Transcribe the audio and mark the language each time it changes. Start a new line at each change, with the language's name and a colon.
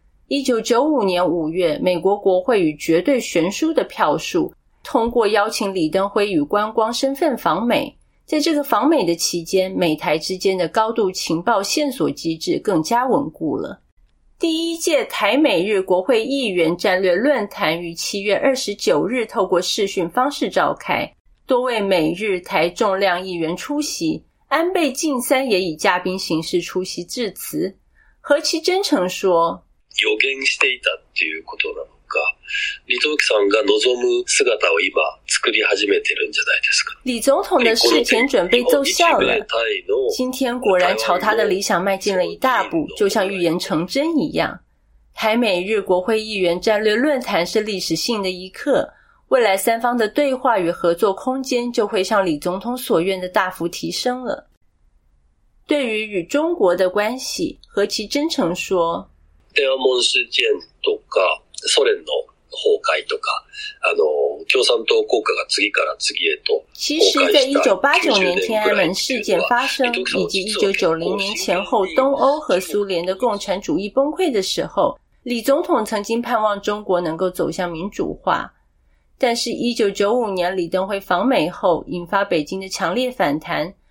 Chinese: 1995年5月，美国国会以绝对悬殊的票数通过邀请李登辉以观光身份访美，在这个访美的期间，美台之间的高度情报线索机制更加稳固了。第一届台美日国会议员战略论坛于7月29日透过视讯方式召开，多位美日台重量议员出席，安倍晋三也以嘉宾形式出席致辞。何其真诚说，
Japanese: 予言していたっていうことなのか、李登輝さんが望む姿を今作り始めてるんじゃないですか。
Chinese: 李总统的事前准备奏效了，今天果然朝他的理想迈进了一大步，就像预言成真一样。台美日国会议员战略论坛是历史性的一刻，未来三方的对话与合作空间就会像李总统所愿的大幅提升了。对于与中国的关系，何其真诚说，
Japanese: 天安門事件とかソ連の崩壊とか、共産党国家が次から次へと崩壊した。
Chinese: 其实在1989年天安門事件发生，以及1990年前后东欧和苏联的共产主义崩溃的时候，李总统曾经盼望中国能够走向民主化。但是1995年李登辉访美后，引发北京的强烈反弹。